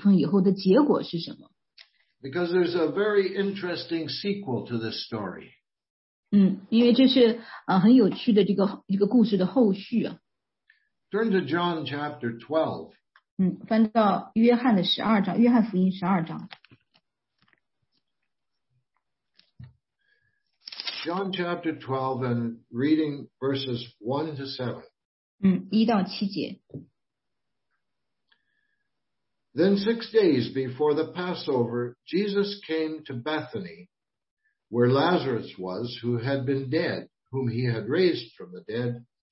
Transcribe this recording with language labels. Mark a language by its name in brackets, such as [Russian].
[Chinese] 我们来看一下，就是在这个马大、玛利亚这一家请客的这个夜晚啊，这个玛利亚选了这个上好的福分以后的结果是什么？ [English] Because there's a very interesting sequel to this story. [Chinese] 因为这是很有趣的这个故事的后续啊。 [English] Turn to John chapter 12. [Chinese] 翻到约翰的十二章，约翰福音十二章。 [English] John chapter 12 and reading verses 1 to 7. [Chinese] 1到7节. [English] Then 6 days before the Passover, Jesus came to Bethany, where Lazarus was, who had been dead, whom he had raised from the dead.